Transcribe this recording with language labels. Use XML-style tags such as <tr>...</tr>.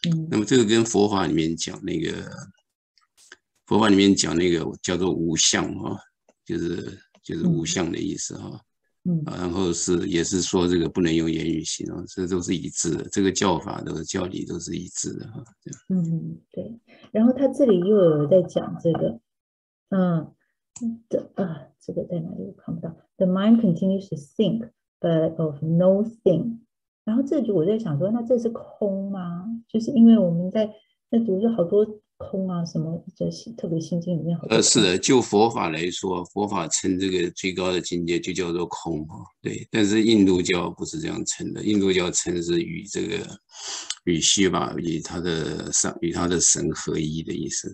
<zh>那么这个跟佛法里面讲那个叫做无相哈，就是无相的意思哈。然后是也是说这个不能用言语形容，这都是一致的，这个教法都是教理都是一致的。对。然后他这里又有在讲这个这个在哪里我看不到。</zh> <en>The mind continues to think, but of no thing.</en> <zh>然后这里我在想说，那这是空吗？就是因为我们在那读了好多空啊什么，这特别心经里面好多。是的，就佛法来说，佛法称这个最高的境界就叫做空啊。对，但是印度教不是这样称的，印度教称是与这个与希瓦与他的神合一的意思。</zh>